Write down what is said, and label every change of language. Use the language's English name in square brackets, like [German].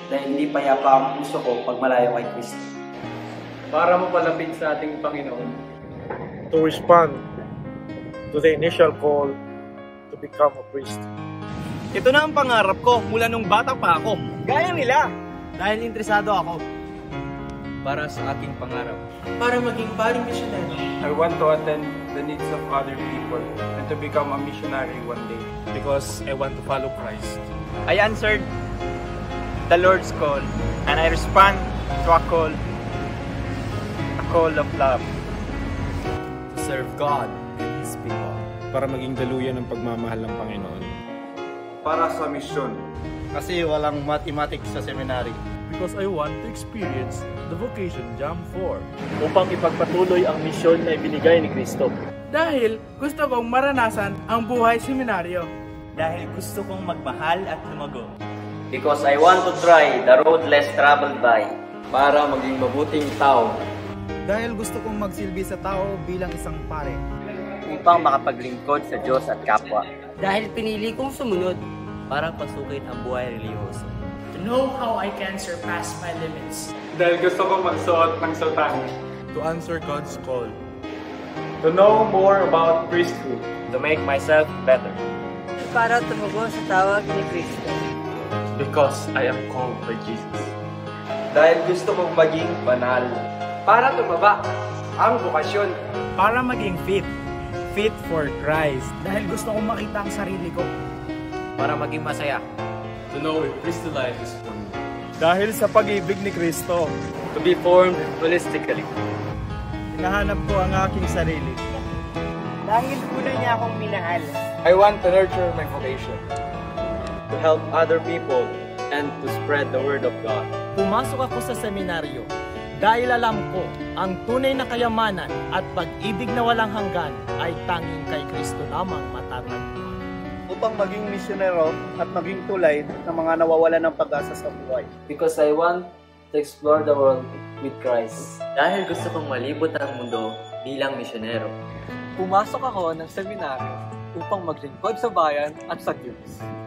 [Filipino] Dahil hindi payapa ang puso ko pag malayo kay Kristo. Para mapalapit sa ating Panginoon. [English] To respond to the initial call to become a priest. [Filipino] Ito na ang pangarap ko mula nung bata pa ako. Gaya nila. Dahil interesado ako. Para sa aking pangarap. Para maging paring missionary. [English] I want to attend the needs of other people and to become a missionary one day. Because I want to follow Christ. I answered the Lord's call and I respond to a call of love. To serve God and His people. [Filipino] Para maging daluyan ng pagmamahal ng Panginoon. Para sa mission. Kasi walang mathematics sa seminary. [English] Because I want to experience the vocation jam 4. [Filipino] Upang ipagpatuloy ang mission na ibinigay ni Kristo. Dahil gusto kong maranasan ang buhay seminaryo. Dahil gusto kong magmahal at lumagong. [English] Because I want to try the road less traveled by. [Filipino] Para maging mabuting tao. Dahil gusto kong magsilbi sa tao bilang isang pare. Upang makapaglingkod sa Diyos at kapwa. Dahil pinili kong sumunod. Para pasukin ang buhay reliyoso. [English] To know how I can surpass my limits. [Filipino] Dahil gusto kong magsuot ng sotang. [English] To answer God's call. To know more about priesthood. To make myself better. [Filipino] Para tumugon sa tawag ni Kristo. [English] Because I am called by Jesus. [Filipino] Dahil gusto kong maging banal. Para tumaba ang bukasyon. Para maging fit. [English] Fit for Christ. [Filipino] Dahil gusto kong makita ang sarili ko. Para maging masaya. [English] To know if Christ's life is for me. [Filipino] Dahil sa pag-ibig ni Kristo. [English] To be formed holistically. [Filipino] Hinahanap ko ang aking sarili. Dahil tunay niya akong minahal. [English] I want to nurture my vocation. To help other people and to spread the word of God. [Filipino] Pumasok ako sa seminaryo. Dahil alam ko, ang tunay na kayamanan at pag-ibig na walang hanggan ay tanging kay Kristo lamang matatagpuan. Upang maging misyonero at maging tulay ng mga nawawala ng pag-asa sa buhay. [English] Because I want to explore the world with Christ. [Filipino] Dahil gusto kong malibot ang mundo bilang misyonero. Pumasok ako ng seminaryo upang maglingkod sa bayan at sa Diyos.